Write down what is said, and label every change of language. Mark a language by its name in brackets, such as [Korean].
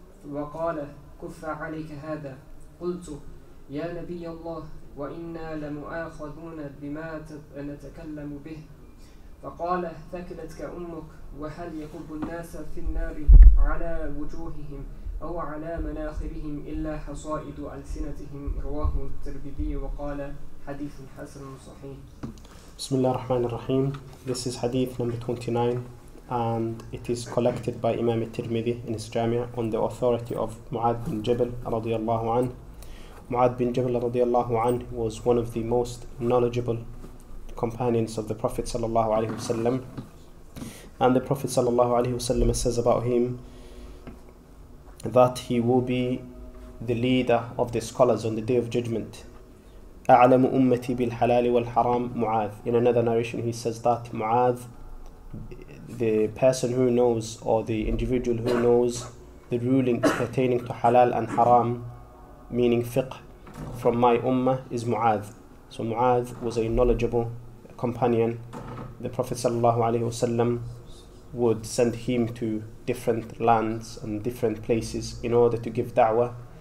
[Arabic] وقال كف عليك هذا قلت يا نبي الله وإنا لمؤاخذون بما نتكلم به فقال ثكلتك أمك وهل يكب الناس في النار على وجوههم أو على مناخرهم إلا حصائد ألسنتهم رواه الترمذي وقال حديث حسن صحيح. بسم الله الرحمن الرحيم. [English] This is hadith number 29 and it is collected by Imam al-Tirmidhi in his Jami' on the authority of Mu'adh bin Jabal رضي الله عنه. Mu'adh bin Jabal radiallahu anhu was one of the most knowledgeable companions of the Prophet sallallahu alaihi wasallam, and the Prophet sallallahu alaihi wasallam says about him that he will be the leader of the scholars on the Day of Judgment. [Arabic] أعلم أمتي بالحلال والحرام Mu'adh. [English] In another narration, he says that Mu'adh, the person who knows, or the individual who knows the rulings pertaining to halal and haram, meaning fiqh, from my ummah is Mu'adh. So Mu'adh was a knowledgeable companion. The Prophet ﷺ would send him to different lands and different places in order to give da'wah.